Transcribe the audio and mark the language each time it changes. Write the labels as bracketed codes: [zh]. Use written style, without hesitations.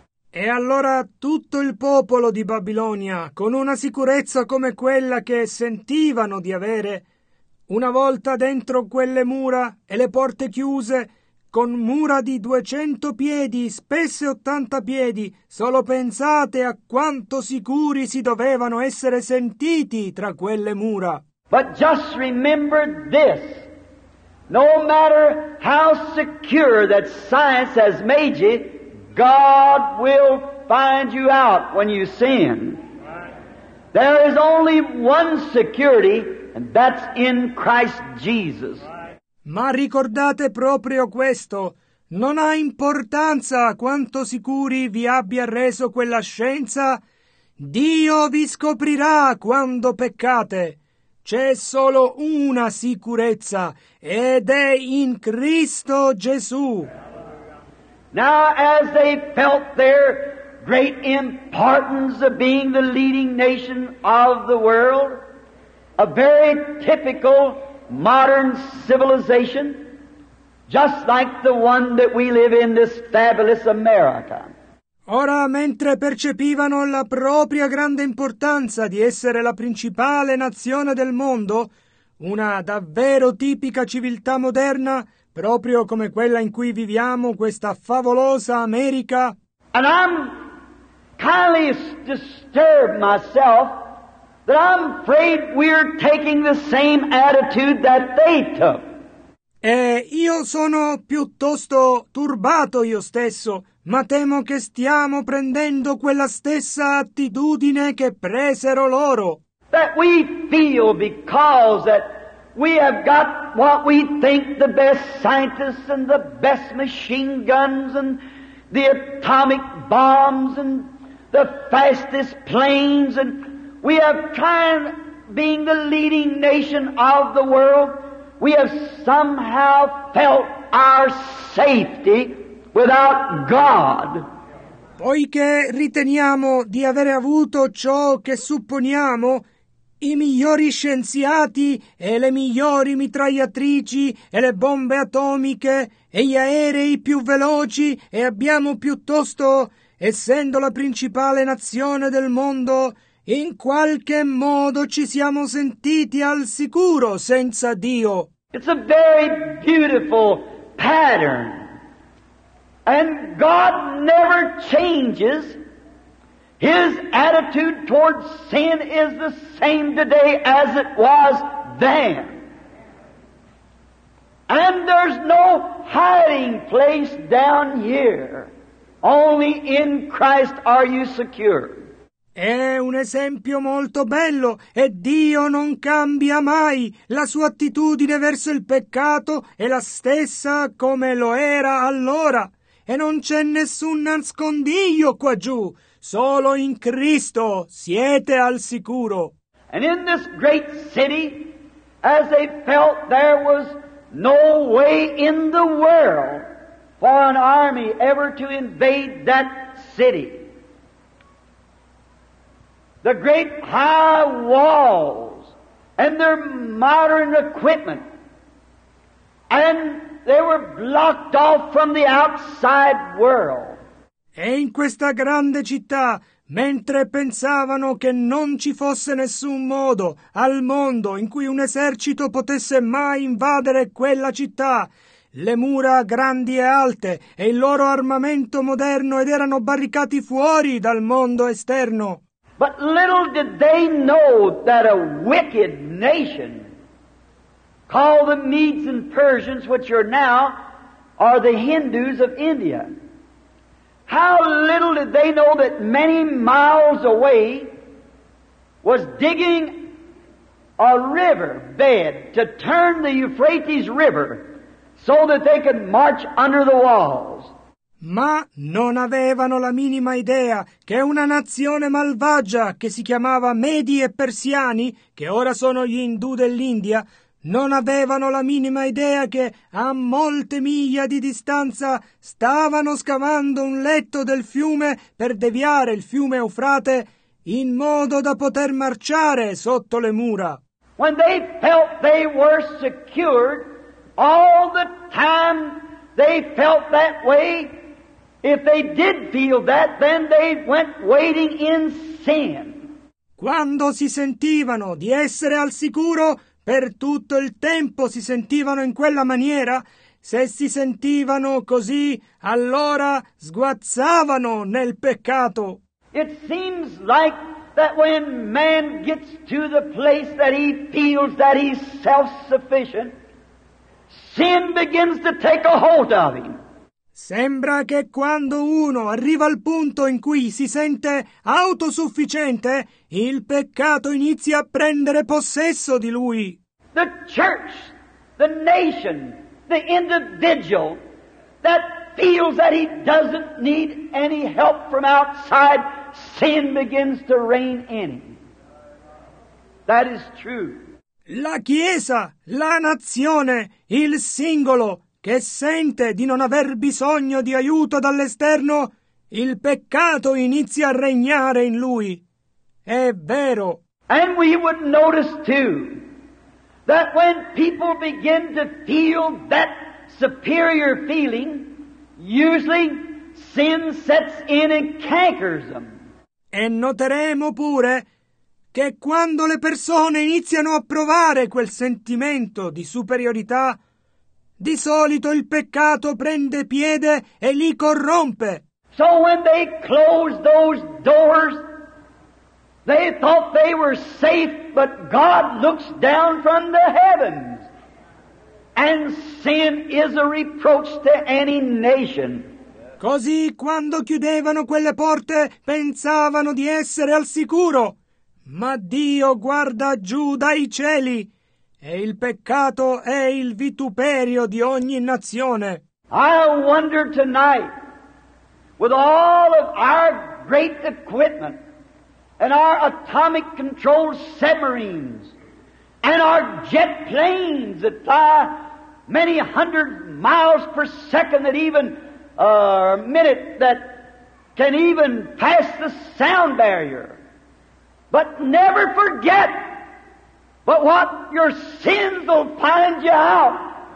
[it] E allora tutto il popolo di Babilonia, con una sicurezza come quella che sentivano di avere, una volta dentro quelle mura e le porte chiuse, con mura di 200 piedi, spesse 80 piedi, solo pensate a quanto sicuri si dovevano essere sentiti tra quelle mura. [en] But just remember this, no matter how secure that science has made you, God will find you out when you sin. There is only one security, and that's in Christ Jesus. [it] Ma ricordate proprio questo. Non ha importanza quanto sicuri vi abbia reso quella scienza, Dio vi scoprirà quando peccate. C'è solo una sicurezza, ed è in Cristo Gesù. [en] Now, as they felt their great importance of being the leading nation of the world, a very typical modern civilization, just like the one that we live in, this fabulous America. [it] Ora, mentre percepivano la propria grande importanza di essere la principale nazione del mondo, una davvero tipica civiltà moderna, proprio come quella in cui viviamo, questa favolosa America. [en] And I'm kindly disturbed myself that I'm afraid we're taking the same attitude that they took. [it] E io sono piuttosto turbato io stesso, ma temo che stiamo prendendo quella stessa attitudine che presero loro. [en] That we feel because that we have got what we think the best scientists and the best machine guns and the atomic bombs and the fastest planes, and we have tried being the leading nation of the world. We have somehow felt our safety without God. [it] Poiché riteniamo di avere avuto ciò che supponiamo, i migliori scienziati e le migliori mitragliatrici e le bombe atomiche e gli aerei più veloci, e abbiamo piuttosto, essendo la principale nazione del mondo, in qualche modo ci siamo sentiti al sicuro senza Dio. [en] It's a very beautiful pattern, and God never changes. His attitude towards sin is the same today as it was then. And there's no hiding place down here. Only in Christ are you secure. [it] È un esempio molto bello, e Dio non cambia mai. La sua attitudine verso il peccato è la stessa come lo era allora. E non c'è nessun nascondiglio qua giù. Solo in Cristo siete al sicuro. [en] And in this great city, as they felt there was no way in the world for an army ever to invade that city, the great high walls and their modern equipment, and they were blocked off from the outside world. [it] E in questa grande città, mentre pensavano che non ci fosse nessun modo al mondo in cui un esercito potesse mai invadere quella città, le mura grandi e alte e il loro armamento moderno, ed erano barricati fuori dal mondo esterno. [en] But little did they know that a wicked nation called the Medes and Persians, which are now are the Hindus of India. How little did they know that many miles away was digging a river bed to turn the Euphrates River so that they could march under the walls. [it] Ma non avevano la minima idea che una nazione malvagia che si chiamava Medi e Persiani, che ora sono gli Hindu dell'India, non avevano la minima idea che a molte miglia di distanza stavano scavando un letto del fiume per deviare il fiume Eufrate in modo da poter marciare sotto le mura. [en] When they felt they were secured, all the time they felt that way, If they did feel that, then they went waiting in sin. [it] Quando si sentivano di essere al sicuro, per tutto il tempo si sentivano in quella maniera. Se si sentivano così, allora sguazzavano nel peccato. [en] It seems like that when man gets to the place that he feels that he's self-sufficient, sin begins to take a hold of him. [it] Sembra che quando uno arriva al punto in cui si sente autosufficiente, il peccato inizia a prendere possesso di lui. [en] The church, the nation, the individual that feels that he doesn't need any help from outside, sin begins to reign in him. That is true. [it] La Chiesa, la nazione, il singolo che sente di non aver bisogno di aiuto dall'esterno, il peccato inizia a regnare in lui. È vero. [en] And we would notice too that when people begin to feel that superior feeling, usually sin sets in and cankers them. [it] E noteremo pure che quando le persone iniziano a provare quel sentimento di superiorità, di solito il peccato prende piede e li corrompe. [en] So when they closed those doors, they thought they were safe, but God looks down from the heavens, and sin is a reproach to any nation. [it] Così quando chiudevano quelle porte pensavano di essere al sicuro, ma Dio guarda giù dai cieli e il peccato è il vituperio di ogni nazione. [en] I wonder tonight, with all of our great equipment and our atomic control submarines and our jet planes that fly many hundred miles per second, that even a minute, that can even pass the sound barrier, but never forget but what your sins will find you out.